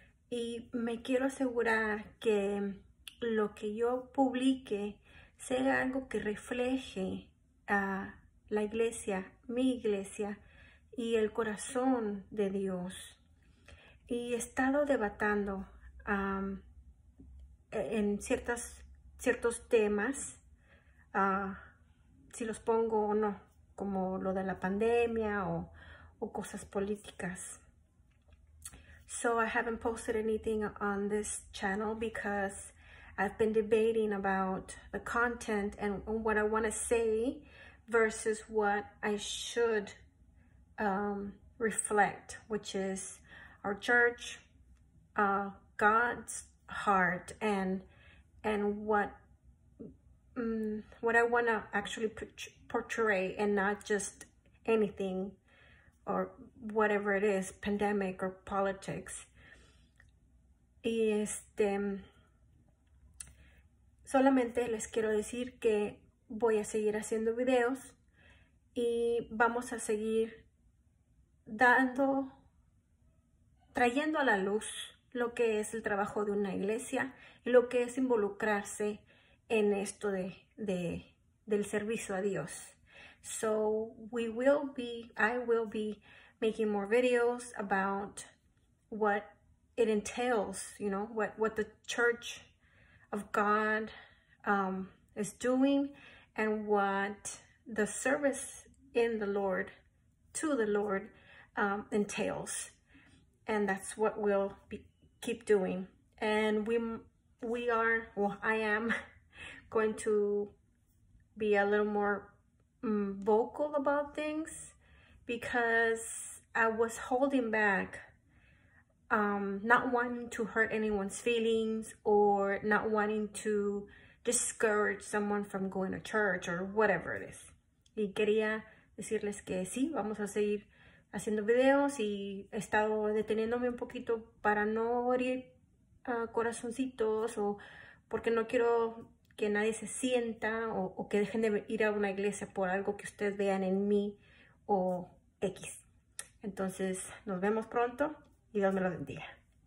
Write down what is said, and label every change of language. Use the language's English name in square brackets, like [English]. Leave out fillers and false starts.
[Spanish] y me quiero asegurar que lo que yo publique sea algo que refleje a la iglesia, mi iglesia y el corazón de Dios. Y he estado debatiendo en ciertos temas, si los pongo o no, como lo de la pandemia o cosas políticas. [English] So I haven't posted anything on this channel because I've been debating about the content and what I want to say versus what I should reflect, which is our church, God's heart, and what I want to actually portray, and not just anything or whatever it is, pandemic or politics. [Spanish] Y solamente les quiero decir que voy a seguir haciendo videos y vamos a seguir trayendo a la luz lo que es el trabajo de una iglesia y lo que es involucrarse en esto del servicio a Dios. [English] So I will be making more videos about what it entails, you know, what the Church of God is doing. And what the service in the Lord, to the Lord, entails. And that's what we'll keep doing. And I am going to be a little more vocal about things because I was holding back, not wanting to hurt anyone's feelings or not wanting to discourage someone from going to church or whatever it is. [Spanish] Y quería decirles que sí, vamos a seguir haciendo videos y he estado deteniéndome un poquito para no herir corazoncitos o porque no quiero que nadie se sienta o que dejen de ir a una iglesia por algo que ustedes vean en mí o X. Entonces, nos vemos pronto y Dios me lo bendiga.